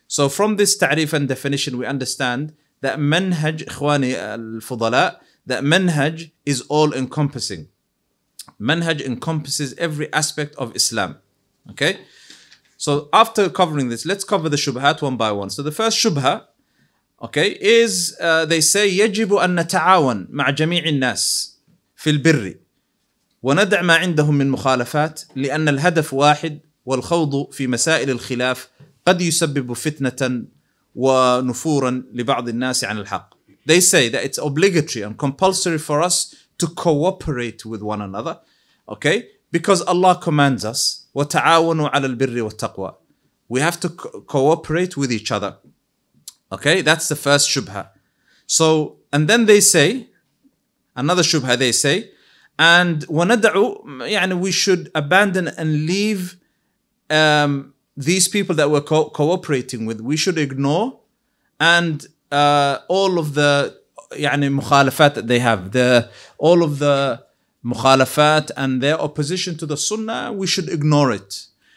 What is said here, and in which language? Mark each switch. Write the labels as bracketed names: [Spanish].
[English] So from this ta'rif and definition, we understand that manhaj, ikhwani al-fudala, that manhaj is all-encompassing. Manhaj encompasses every aspect of Islam. Okay? So after covering this, let's cover the shubhat one by one. So the first shubha, okay, is they say, [Arabic] يَجِبُ أَن نَتَعَاوَن مَعَ جَمِيعِ النَّاسِ فِي الْبِرِّ وَنَدْعَ مَا عِنْدَهُم مِّن مُخَالَفَاتِ لِأَنَّ الْهَدَفُ وَاحِدْ وَالْخَوْضُ فِي مَسَائِلِ الْخِلَافِ قَدْ يُسَبِّبُ فِتْنَةً وَنُفُورًا لِبَعْضِ النَّاسِ عَنِ الْحَقِّ. [English] They say that it's obligatory and compulsory for us to cooperate with one another, okay? Because Allah commands us, [Arabic] وَتَعَاوَنُوا عَلَى الْبِرِّ وَالتَّقْوَى. [English] We have to cooperate with each other, okay? That's the first shubha. So, and then they say, another shubha they say, and [Arabic] وَنَدْعُوا, [English] يعني we should abandon and leave these people that we're cooperating with, we should ignore, and all of the [Arabic] يعني مخالفات [English] that they have, all of the مخالفات and their opposition to the Sunnah, we should ignore it.